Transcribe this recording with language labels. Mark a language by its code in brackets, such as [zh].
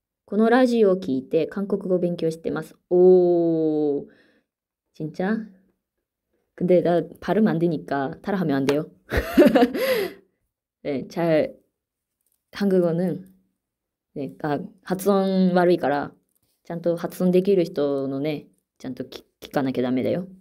[ja] このラジオを聞いて韓国語を勉強してます。 [ko] おー。진짜? 근데 나 발음 안 되니까 따라 하면 안 돼요. [ja] 네, [ko] 잘, 한국어는, [ja] 네, 発音 悪いから、ちゃんと発音できる人のね、ちゃんと聞かなきゃダメだよ。